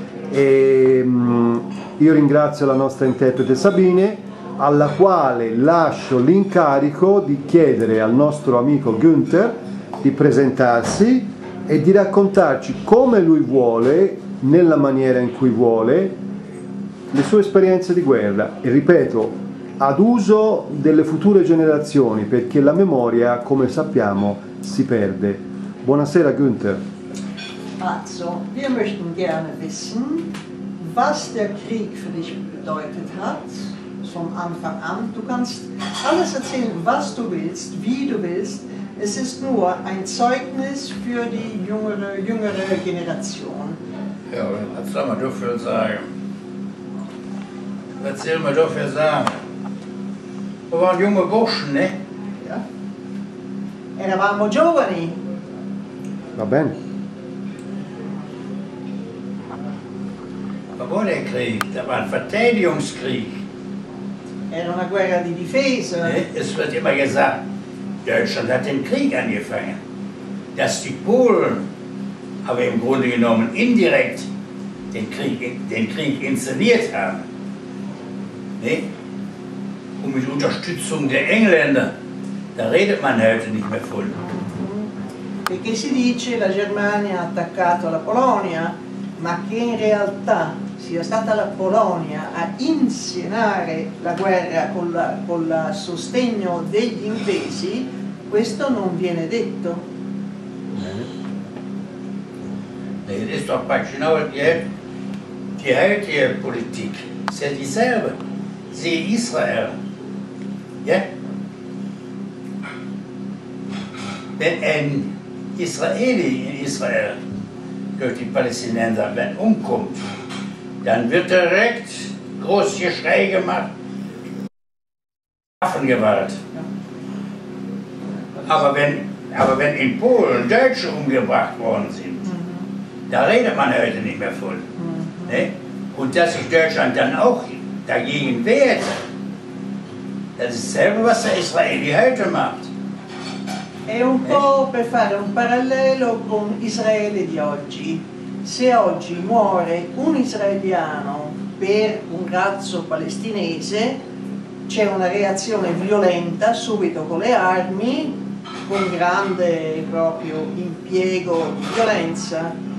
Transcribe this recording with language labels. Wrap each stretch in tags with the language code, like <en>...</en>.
<it>E io ringrazio la nostra interprete Sabine, alla quale lascio l'incarico di chiedere al nostro amico Günther di presentarsi e di raccontarci, come lui vuole, nella maniera in cui vuole, le sue esperienze di guerra. E ripeto, ad uso delle future generazioni, perché la memoria, come sappiamo, si perde. Buonasera Günther.</it> <de>Also, wir möchten gerne wissen, was der Krieg für dich bedeutet hat, vom Anfang an. Du kannst alles erzählen, was du willst, wie du willst. Es ist nur ein Zeugnis für die jüngere Generation. Ja, was soll man dafür sagen? Was soll man dafür sagen? Wir waren junge Burschen, ne? Ja.</de> <it>Eravamo giovani. Va bene. Ma vuole il Krieg?</it> <de>Da war ein Verteidigungskrieg.</de> <it>Era una guerra di difesa.</it> <de>Es wird immer gesagt, Deutschland hat den Krieg angefangen. Dass die Polen aber im Grunde genommen indirekt den Krieg inszeniert haben. Ne? Und mit Unterstützung der Engländer, da redet man heute nicht mehr von.</de> <it>Perché si dice la Germania ha attaccato la Polonia, ma che in realtà sia stata la Polonia a inscenare la guerra con il sostegno degli inglesi, questo non viene detto. Ed è appassionante che la politica sia la stessa, sia Israel.</it> <de>Ja? Wenn ein Israeli in Israel durch die Palästinenser umkommt, dann wird direkt groß Geschrei gemacht, Waffengewalt. Aber wenn in Polen Deutsche umgebracht worden sind, da redet man heute nicht mehr voll. Ne? Und dass sich Deutschland dann auch dagegen wehrt, das ist dasselbe, was der Israeli heute macht.</de> <it>È un po' per fare un parallelo con Israele di oggi. Se oggi muore un israeliano per un razzo palestinese, c'è una reazione violenta subito con le armi, con grande proprio impiego di violenza.</it>